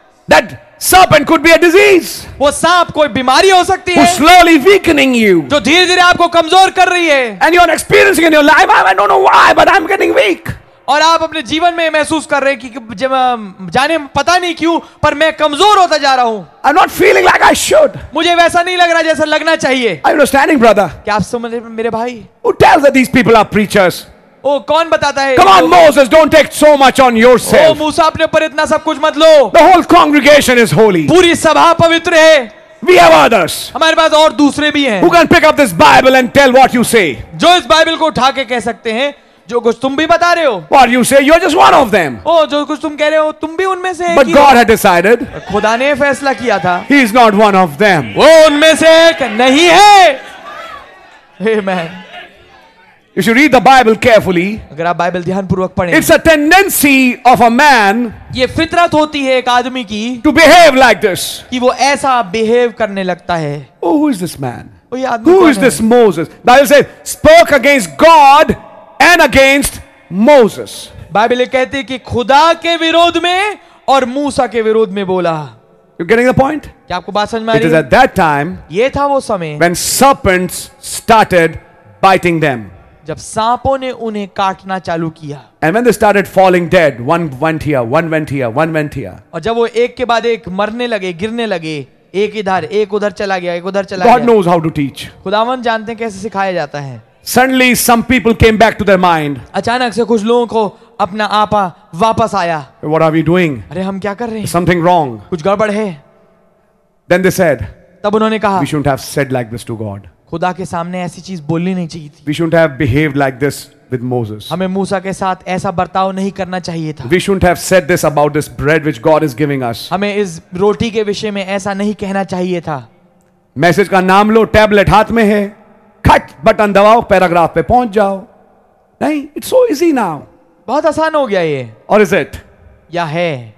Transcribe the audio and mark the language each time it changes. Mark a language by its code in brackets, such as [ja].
[en] That serpent could be a disease. [hi] वो सांप कोई बीमारी हो सकती है. [en] Slowly weakening you. [hi] जो धीरे-धीरे आपको कमजोर कर रही है. [en] And you are experiencing in your life, I don't know why, but I'm getting weak. [hi] और आप अपने जीवन में महसूस कर रहे हैं कि जाने पता नहीं क्यों पर मैं कमजोर होता जा रहा हूं. [en] I'm not feeling like I should. [hi] मुझे वैसा नहीं लग रहा जैसा लगना चाहिए. [en] Are you understanding, brother? [hi] क्या आप समझ रहे हैं मेरे भाई? [en] Who tells that these people are preachers? [hi] Oh, कौन बताता है? [en] Come on, Moses, don't take so much on yourself. [hi] Oh, मूसा अपने ऊपर इतना सब कुछ मत लो. [en] The whole congregation is holy. [hi] पूरी सभा पवित्र है. [en] We have others. [hi] हमारे पास और दूसरे भी हैं. [en] Who can pick up this Bible and tell what you say? [hi] जो इस बाइबल को उठा के कह सकते हैं जो कुछ तुम भी बता रहे हो. [en] What you say? You're just one of them. [hi] Oh, जो कुछ तुम कह रहे हो तुम भी उनमें से. [en] But God had decided. [hi] खुदा ने फैसला किया था. [en] He is not one of them. [hi] वो उनमें से एक नहीं है. Amen. [en] If you read the Bible carefully, [hi] अगर आप बाइबल ध्यानपूर्वक पढ़ें, [en] it's a tendency of a man. [hi] ये फितरत होती है एक आदमी की. [en] To behave like this. [hi] कि वो ऐसा बिहेव करने लगता है. [en] Oh, who is this man? [hi] वो ये आदमी कौन है? [en] Who is this Moses? Bible says, spoke against God and against Moses. [hi] Bible कहती है कि खुदा के विरोध में और मूसा के विरोध में बोला. [en] You getting the point? [hi] क्या आपको बात समझ में आ रही है? [en] It is at that time. [hi] ये था वो समय. [en] When serpents started biting them. [hi] जब सांपों ने उन्हें काटना चालू किया. [en] And when they started falling dead, one went here, one went here, one went here. [hi] और जब वो एक के बाद एक मरने लगे, गिरने लगे, एक इधर, एक उधर चला गया, एक उधर चला [en] God [hi] गया. [en] God knows how to teach. [hi] खुदावंद जानते हैं कैसे सिखाया जाता है. [en] Suddenly some people came back to their mind. [hi] अचानक से कुछ लोगों को अपना आपा वापस आया. [en] What are we doing? [hi] अरे हम क्या कर रहे हैं? [en] Something wrong. [hi] कुछ गड़बड़ है. [en] Then they said. [hi] तब उन्होंने कहा. [en] We shouldn't have said like this to God. [hi] खुदा के सामने ऐसी चीज बोलनी नहीं चाहिए थी. [en] We shouldn't have behaved like this with Moses. [hi] हमें मूसा के साथ ऐसा बर्ताव नहीं करना चाहिए था. [en] We shouldn't have said this about this bread which God is giving us. [hi] हमें इस रोटी के विषय में ऐसा नहीं कहना चाहिए था. मैसेज का नाम लो, टैबलेट हाथ में है, खट बटन दबाओ, पैराग्राफ पे पहुंच जाओ. नहीं, [en] It's so easy now. [hi] बहुत आसान हो गया ये. और [en] Is it? [hi] या है?